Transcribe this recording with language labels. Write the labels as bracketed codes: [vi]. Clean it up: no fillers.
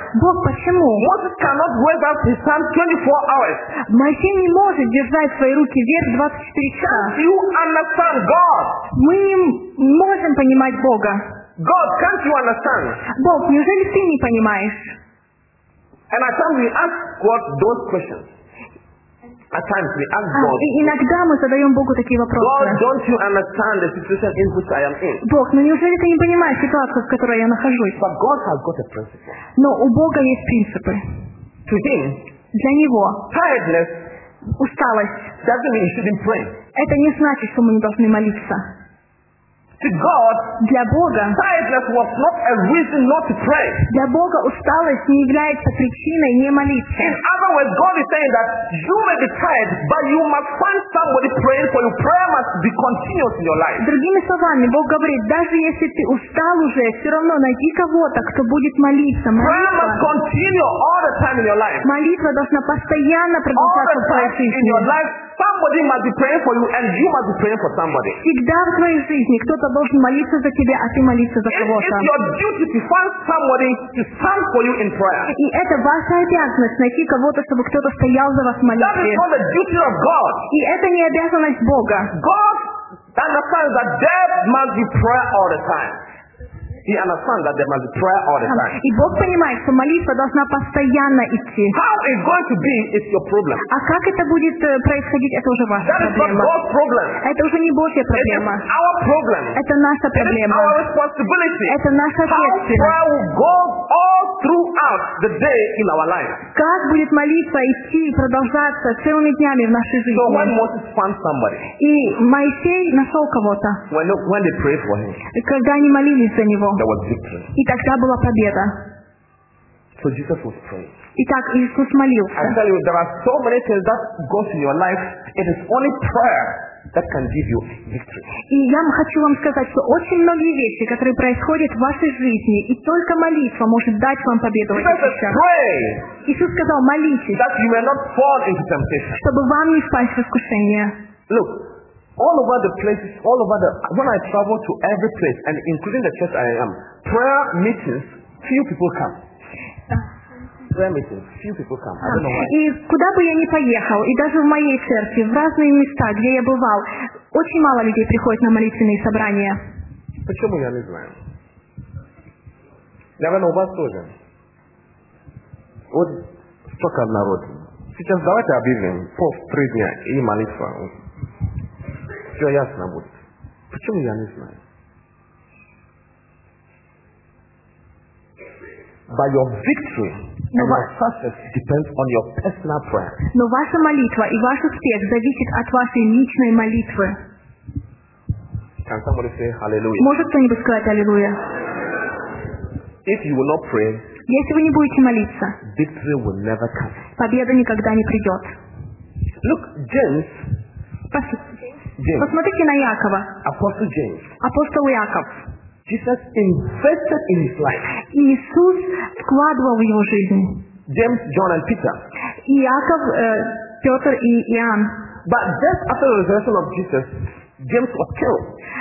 [ru] Бог, почему? [en] Moses cannot wait out his hand 24 hours. [ru] Моисей не может держать свои руки вверх 24 часа. [en] Can't you understand God? [ru] Мы не можем понимать Бога. [en] God, can't you understand? [ru] Бог, неужели ты не понимаешь? [en] And at times we ask God those questions. At times we ask God. [ru] И иногда мы задаем Богу такие вопросы. [en] God, don't you understand the situation in which I am in? [ru] Бог, ну неужели ты не понимаешь ситуацию, в которой я нахожусь? [en] But God has got a principle. [ru] Но у Бога есть принципы. [en] To Him. [ru] Для Него. [en] Tiredness. [ru] Усталость. [en] Doesn't mean you shouldn't pray. [ru] Это не значит, что мы не должны молиться. [en] To God, [ru] для Бога, [en] tiredness was not a reason not to pray. [ru] Для Бога усталость не является причиной не молиться. [en] In other words, God is saying that you may be tired, but you must find somebody praying for you. Prayer must be continuous in your life. [ru] Другими словами, Бог говорит, даже если ты устал уже, все равно найди кого-то, кто будет молиться. [en] Prayer must continue all the time in your life. [ru] Молитва должна постоянно продолжаться в твоей жизни. [en] Somebody must be praying for you, and you must be praying for somebody. [ru] Всегда в твоей жизни кто-то должен молиться за тебя, а ты молиться за кого-то. [en] It's your duty to find somebody to stand for you in prayer. [ru] И это ваша обязанность найти кого-то, чтобы кто-то стоял за вас в молитве. [en] That is not the duty of God. [ru] И это не обязанность Бога. [en] God understands that there must be prayer all the time. He understands that there must be prayer all the time. [ru] И Бог понимает, что молитва должна постоянно идти. [en] How it's going to be is your problem. [ru] А как это будет происходить, это уже ваша проблема. [en] That is not God's problem. [ru] Это уже не Божья проблема. [en] It is our problem. [ru] Это наша проблема. [en] It is our responsibility. [ru] Это наша ответственность. [en] How prayer will go all throughout the day in our life. [ru] Как будет молитва идти и продолжаться целыми днями в нашей жизни? [en] So when Moses found somebody. [ru] И Моисей нашел кого-то. [en] When they prayed for him. [ru] Когда они молились за него. [en] There was victory. [ru] И тогда была победа. [en] So Jesus was praying. [ru] Итак, Иисус молился. [en] I tell you, there are so many things that goes in your life. It is only prayer that can give you victory. [ru] И я хочу вам сказать, что очень многие вещи, которые происходят в вашей жизни, и только молитва может дать вам победу. Иисус сказал, молитесь, [en] that you may not fall into temptation. [ru] Чтобы вам не впасть в искушение. [en] Look. All over the places, all over the, when I travel to every place, and including the church I am, prayer meetings, few people come. Prayer meetings, few people come. I don't know why. [ru] И куда бы я ни поехал, и даже в моей церкви, в разные места, где я бывал, очень мало людей приходит на молитвенные собрания. Почему я не знаю? Наверное, у вас тоже. Вот столько народу. Сейчас давайте объявим, пост, три дня и молитва. Все ясно будет. Почему я не знаю? [en] But your victory and your success depends on your personal prayer. [ru] Но ваша молитва и ваш успех зависит от вашей личной молитвы. [en] Can somebody say hallelujah? [ru] Может кто-нибудь сказать аллилуйя? [en] If you will not pray, [ru] если вы не будете молиться, [en] victory will never come. [ru] Победа никогда не придет. [en] Look, James. [ru] James. Посмотрите на Якова. [en] Apostle James. [ru] Апостол Яков. [en] Jesus invested in his life. [ru] Иисус вкладывал в его жизнь. [en] James, John and Peter. [ru] Яков, Петр и Иоанн. [en] But just after the resurrection of Jesus, James was killed.